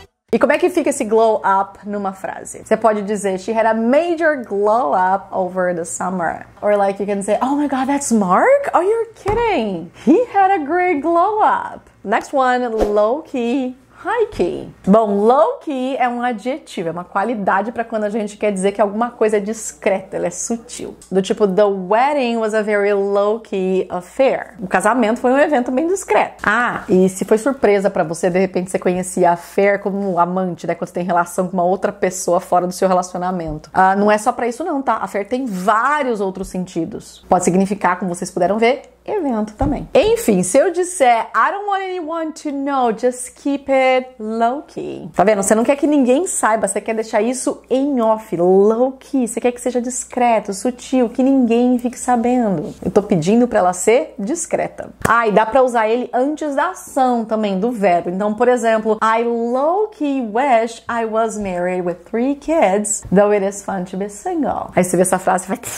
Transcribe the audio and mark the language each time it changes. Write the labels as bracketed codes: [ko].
[pt] E como é que fica esse glow up numa frase? Você pode dizer, [en] she had a major glow up over the summer. Or like, you can say, oh my god, that's Mark? Oh, you're kidding. He had a great glow up. Next one, low key, high key. [pt] Bom, low key é um adjetivo, é uma qualidade pra quando a gente quer dizer que alguma coisa é discreta, ela é sutil. Do tipo, [en] the wedding was a very low key affair. [pt] O casamento foi um evento bem discreto. Ah, e se foi surpresa pra você, de repente você conhecia a affair como amante, né? Quando você tem relação com uma outra pessoa fora do seu relacionamento. Ah, não é só pra isso não, tá? Affair tem vários outros sentidos. Pode significar, como vocês puderam ver, evento também. Enfim, se eu disser [en] I don't want anyone to know, just keep it low key. [pt] Tá vendo? Você não quer que ninguém saiba, você quer deixar isso em off, low key. Você quer que seja discreto, sutil, que ninguém fique sabendo. Eu tô pedindo pra ela ser discreta. Ah, e dá pra usar ele antes da ação também, do verbo. Então, por exemplo, [en] I low key wish I was married with 3 kids, though it is fun to be single. [pt] Aí você vê essa frase e vai,